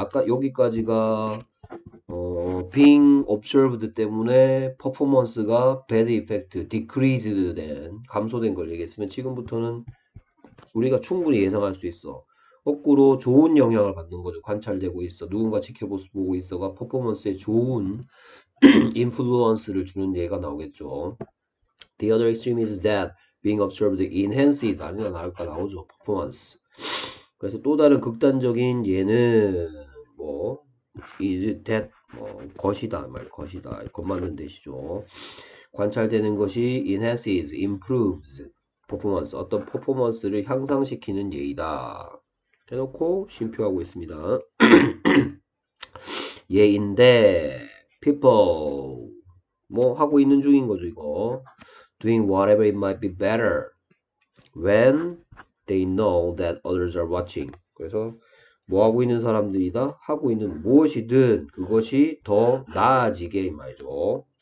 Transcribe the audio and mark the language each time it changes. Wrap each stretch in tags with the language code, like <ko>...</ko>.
<ko>아까 여기까지가</ko> <en>being observed</en> <ko>때문에 performance가</ko> <en>bad effect, decreased</en> <ko>된 감소된 걸 얘기했으면 지금부터는 우리가 충분히 예상할 수 있어. 거꾸로 좋은 영향을 받는 거죠. 관찰되고 있어. 누군가 지켜보고 있어가 퍼포먼스에 좋은 인플루언스를 주는 예가 나오겠죠.</ko> <en>The other extreme is that being observed enhances</en> <ko>아니면 나올까 나오죠. 퍼포먼스. 그래서 또 다른 극단적인 예는 뭐</ko> <en>is that</en> <ko>것이다 말 것이다 것만은 되시죠. 관찰되는 것이</ko> <en>enhances, improves</en> <ko>퍼포먼스 어떤 퍼포먼스를 향상시키는 예이다 해놓고 쉼표하고 있습니다. 예인데</ko> <en>people</en> <ko>뭐 하고 있는 중인 거죠. 이거</ko> <en>doing whatever it might be better when they know that others are watching.</en> <ko>그래서 뭐 하고 있는 사람들이다? 하고 있는 무엇이든 그것이 더 나아지게 말이죠.</ko>